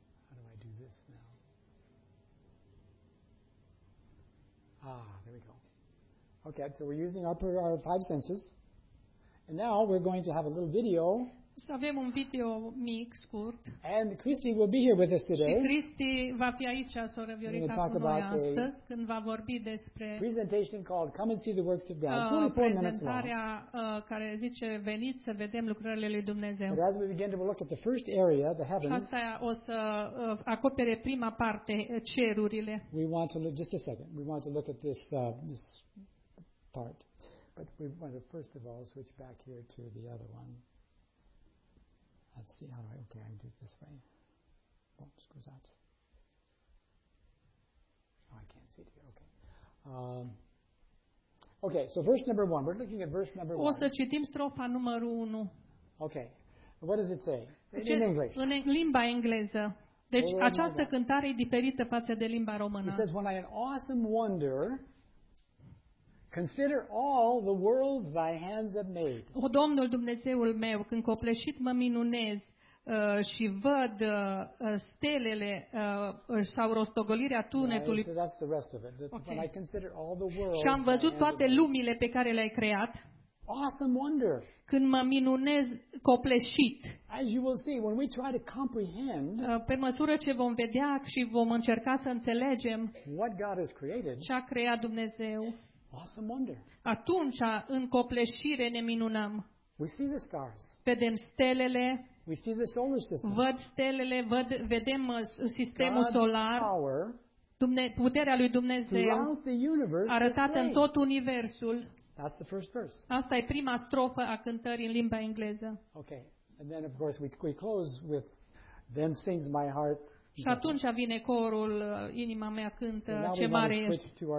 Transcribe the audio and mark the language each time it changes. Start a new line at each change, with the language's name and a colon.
English: How do I do this now? Ah, there we go. Okay, so we're using our five senses. And now we're going to have a little video.
Romanian: Să avem un video mic, scurt.
English: And Christy will be here with us today.
Romanian: Și Christy va fi aici, sora Viorica, cu noi astăzi, când va vorbi despre
English: presentation called Come and See the Works of God. Only 4 minutes long.
Romanian: Prezentarea care zice veniți să vedem lucrările lui Dumnezeu.
English: But as we begin to look at the first area, the heavens.
Romanian: Asta o să acopere prima parte, cerurile.
English: We want to look, just a second. We want to look at this this part. But we want to first of all switch back here to the other one. Let's see, all right, okay, I can do it this way. Oh,
Italian: scusate.
English: Oh, I can't see it here, okay. Okay, so verse number one, we're looking at verse number
Romanian: one. O să citim strofa numărul 1.
English: Okay, what does it say? In English.
Romanian: În limba engleză. Deci această cântare e diferită față de limba română.
English: It says, when I an awesome wonder, consider all the worlds thy hands have made.
Romanian: O Domnul Dumnezeul meu, când copleșit mă minunez și văd stelele sau rostogolirea tunetului.
English: Right, so that's the rest of it. Okay. When I consider all the worlds.
Romanian: Și am văzut toate lumile pe care le-ai creat.
English: Awesome wonder.
Romanian: Când mă minunez copleșit.
English: As you will see, when we try to comprehend.
Romanian: Pe măsură ce vom vedea și vom încerca să înțelegem.
English: What God has created.
Romanian: Ce a creat Dumnezeu.
English: Awesome wonder.
Romanian: Atunci, în copleșire, ne minunăm.
English: We see the stars.
Romanian: Vedem stelele.
English: We see the solar system.
Romanian: Văd stelele, vedem sistemul solar. Puterea lui Dumnezeu arătată în tot universul.
English: That's the first verse.
Romanian: Asta e prima strofă a cântării în limba engleză.
English: Okay. And then of course we close with then sings my heart.
Romanian: Și atunci vine corul, inima mea cântă, ce mare ești.